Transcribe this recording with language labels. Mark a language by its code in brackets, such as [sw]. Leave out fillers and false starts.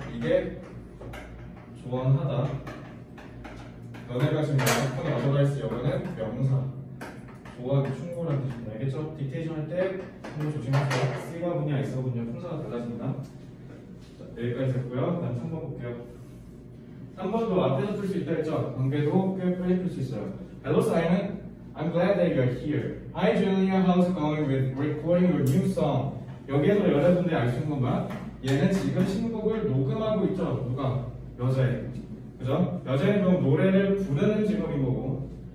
[ko] 이게 조언하다. 너네가 지금 명확한 어드바이스 이거는 명사 조언 충고란 뜻입니다. 알겠죠? 딕테이션 할 때 한번 조심하세요. C가 분야, S가 분야, 품사가 달라집니다. 자, 여기까지 했고요. 다음 3번 볼게요. 3번도 앞에서 풀 수 있다 했죠? 관계도 꽤 빨리 풀 수 있어요. [en] Hello, Simon. I'm glad that you're here. Hi, Julia. How's it going with recording your new song? [ko] 여기에서 여자분들이 알 수 있는 것만 얘는 지금 신곡을 녹음하고 있죠. 누가? 여자애. 그죠? 여자애는 그럼 노래를 부르는 직업인 거고.